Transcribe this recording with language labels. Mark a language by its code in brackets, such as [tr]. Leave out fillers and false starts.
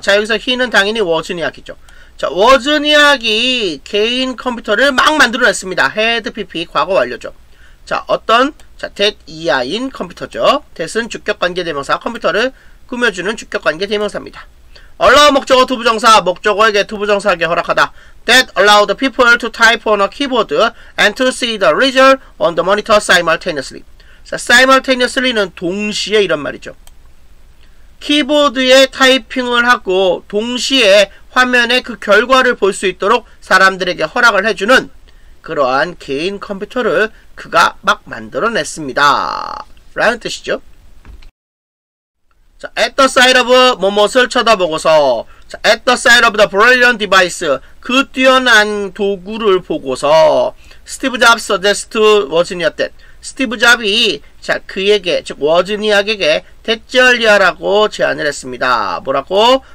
[ko] 자, 여기서 he는 당연히 워즈니아크죠. 자, 워즈니아크이 개인 컴퓨터를 막 만들어냈습니다. had pp 과거 완료죠. 자, 어떤 자, that 이하인 컴퓨터죠. that은 주격관계 대명사, 컴퓨터를 꾸며주는 주격관계 대명사입니다. allow 목적어 to 부정사, 목적어에게 to 부정사에게 허락하다. [en] that allowed people to type on a keyboard and to see the result on the monitor simultaneously. [ko] 자, simultaneously는 동시에 이런 말이죠. 키보드에 타이핑을 하고 동시에 화면에 그 결과를 볼 수 있도록 사람들에게 허락을 해주는 그러한 개인 컴퓨터를 그가 막 만들어냈습니다. 라는 뜻이죠. 자, [en] at the side of 뭐뭐를 쳐다보고서 자, at the side of the brilliant device [ko] 그 뛰어난 도구를 보고서 스티브 잡스 [en] suggested Wozniak that [ko] 스티브 잡이 자, 그에게, 즉 워즈니아크에게 대절리아라고 제안을 했습니다. 뭐라고?